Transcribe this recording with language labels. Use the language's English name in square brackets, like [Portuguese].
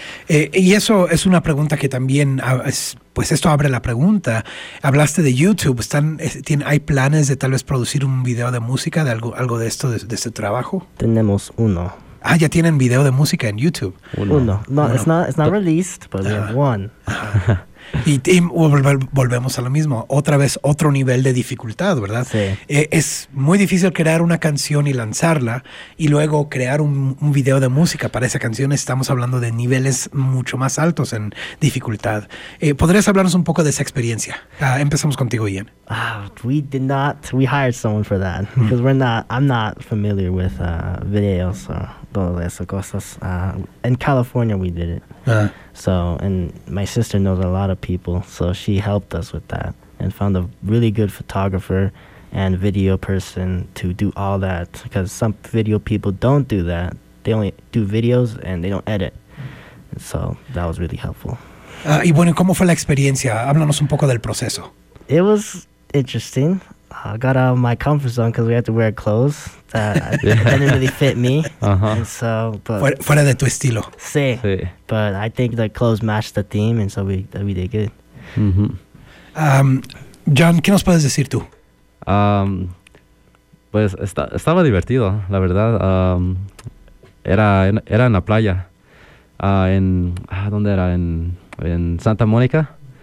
[Spanish] Y eso es una pregunta que también... Pues esto abre la pregunta. Hablaste de YouTube. ¿Hay planes de tal vez producir un video de música, de algo de esto, de este trabajo? Tenemos uno. Ah, ya tienen video de música en YouTube. Uno. No, bueno. [English] it's not released, but we have one. [Spanish] Y volvemos a lo mismo. Otra vez, otro nivel de dificultad, ¿verdad? Sí. Es muy difícil crear una canción y lanzarla, y luego crear un video de música para esa canción. Estamos hablando de niveles mucho más altos en dificultad. ¿Podrías hablarnos un poco de esa experiencia? Empezamos contigo, Ian. [English] We hired someone for that. Because I'm not familiar with videos or [Spanish] todas esas cosas. [English] In California we did it. So, and my sister knows a lot of people, so she helped us with that and found a really good photographer and video person to do all that, because some video people don't do that. They only do videos and they don't edit. And so that was really helpful. [Spanish] Y bueno, ¿cómo fue la experiencia? Háblanos un poco del proceso. [English] It was interesting. I got out of my comfort zone because we had to wear clothes that didn't really fit me. [Spanish] Fuera de tu estilo. Sí. [English] But I think the clothes matched the theme, and so we did good. Mm-hmm. [Spanish] John, ¿qué nos puedes decir tú? Pues estaba divertido, la verdad. Era en la playa. ¿Dónde era? En Santa Mónica.